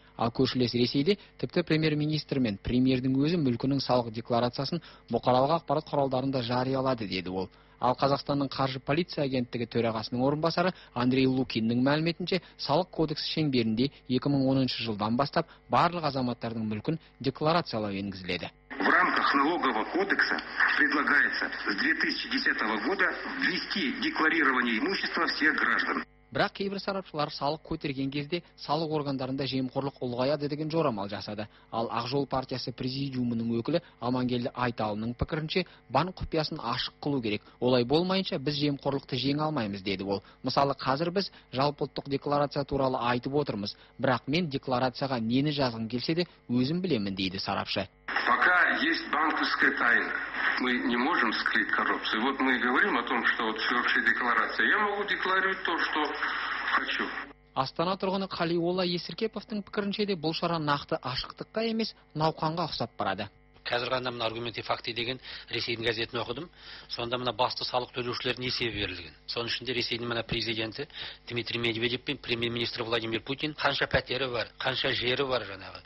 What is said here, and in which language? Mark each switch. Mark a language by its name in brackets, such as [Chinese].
[Kazakh] Ал көршілес Ресейде тіпті премьер-министр мен премьердің өзі мүлкінің салық декларациясын бұқаралық ақпарат құралдарында жариялады деді ол. Ал Қазақстанның қаржы полиция агенттігі төрағасының орынбасары Андрей Лукиннің мәліметінше, салық кодексі шеңберінде 2010 жылдан бастап барлық азаматтардың мүлкін декларациялау енгізіледі. [Russian] В рамках налогового кодекса предлагается с 2010 года ввести декларирование имущества всех граждан. [Kazakh] Бірақ кейбір сарапшылар салық көтерген кезде салық органдарында жемқорлық ұлғаяды деген жорамал жасады. Ал Ақжол партиясы президиумының өкілі Амангелді Айталының пікірінше, банк құпиясын ашық қылу керек. Олай болмайынша біз жемқорлықты жеңе алмаймыз деді ол. Мысалы, қазір біз жалпыұлттық декларация туралы айтып отырмыз, бірақ мен декларацияға нені жазғым келсе де өзім білемін дейді сарапшы. [Russian] Пока есть банковская тайна. Мы не можем скрыть коррупцию. Вот мы и говорим о том, что вот всеобщая декларация. Я могу декларировать то, что хочу. [Kazakh] Астана тұрғыны Қалиолла Есіркеповтың пікірінше де бұл шара нақты ашықтыққа емес, науқанға ұқсап барады. Қазір ғана мына аргументи факти деген Ресейдің газетін оқыдым. Сонда мына басты салық төлеушілердің есебі берілген. Соның ішінде Ресейдің мына президенті Дмитрий Медведев пен премьер-министр Владимир Путин қанша пәтері бар, қанша жері бар жаңағы.